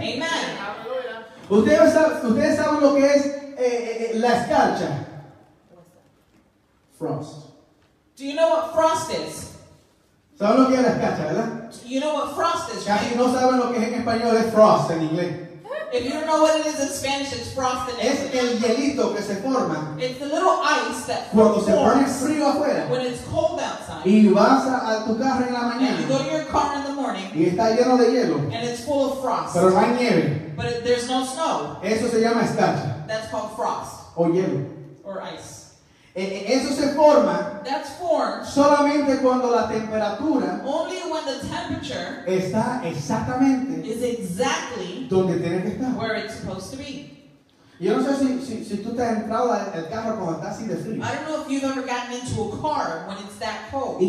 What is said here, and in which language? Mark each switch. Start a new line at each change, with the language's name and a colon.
English: Amen.
Spanish: Ustedes saben lo que es la escarcha. Frost.
English: Do you know what frost is?
Spanish: ¿Saben lo que es la escarcha, verdad?
English: You know what frost is,
Spanish: casi
English: right?
Spanish: No saben lo que es en español, es frost en inglés.
English: If you don't know what it is in Spanish, it's frosting.
Spanish: Es el hielito que se forma.
English: It's the little ice that
Spanish: cuando se pone frío afuera.
English: When it's cold outside.
Spanish: Y vas a tu carro en la mañana.
English: And you go to your car in the morning.
Spanish: Y está lleno de hielo.
English: And it's full of frost.
Spanish: Pero no hay nieve.
English: But there's no snow.
Spanish: Eso se llama escarcha.
English: That's called frost.
Spanish: O hielo.
English: Or ice.
Spanish: Eso se forma
English: that's formed
Spanish: solamente cuando la temperatura
English: only when the temperature
Spanish: está exactamente
English: is exactly
Spanish: donde tiene que estar.
English: Where it's supposed to be.
Spanish: Yo no sé si tú te has entrado al carro cuando está así de frío.
English: I don't know if you've ever gotten into a car when it's that cold.